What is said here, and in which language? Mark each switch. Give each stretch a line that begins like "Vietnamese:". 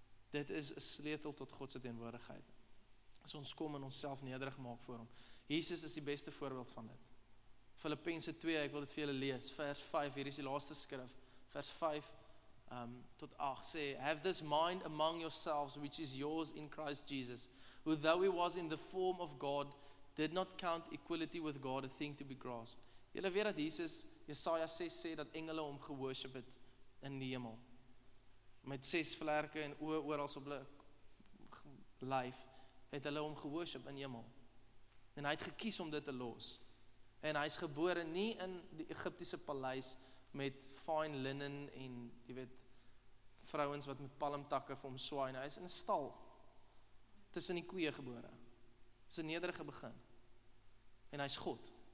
Afrikaans: Dit is 'n sleutel tot God se teenwoordigheid. As ons kom en onsself nederig maak voor hom. Jesus is die beste voorbeeld van dit. Filippense 2, ek wil dit vir julle lees, vers 5, hier is die laaste skrif, vers 5 tot 8, sê,
English: have this mind among yourselves, which is yours in Christ Jesus, who though he was in the form of God, did not count equality with God a thing to be grasped.
Afrikaans: Julle weet dat Jesus, Jesaja 6 sê, dat engele hom geworship het in die hemel, met 6 vlerke en oë oral op hulle lyf, het hulle hom geworship in die hemel, en hy het gekies om dit te los, en hy is gebore nie in die Egiptiese paleis met fine linen en jy weet, vrouens wat met palmtakke vir hom swaai, hy is in 'n stal, tussen die koeie gebore, is 'n nederige begin, en hy is God,